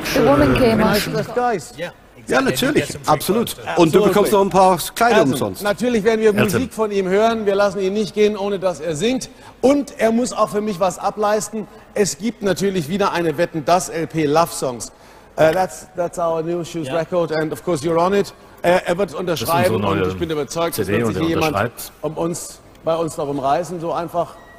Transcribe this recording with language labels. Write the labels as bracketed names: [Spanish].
[English] The woman came [German] out. Ja, natürlich, absolut. Und du bekommst noch ein paar Kleider umsonst. Natürlich werden wir Musik von ihm hören. Wir lassen ihn nicht gehen, ohne dass er singt. Und er muss auch für mich was ableisten. Es gibt natürlich wieder eine Wetten, das LP Love Songs. [English] That's our new shoes record and of course you're on it. [German] Er wird unterschreiben und ich bin überzeugt, CD dass wird sich jemand bei uns darum reißen, so einfach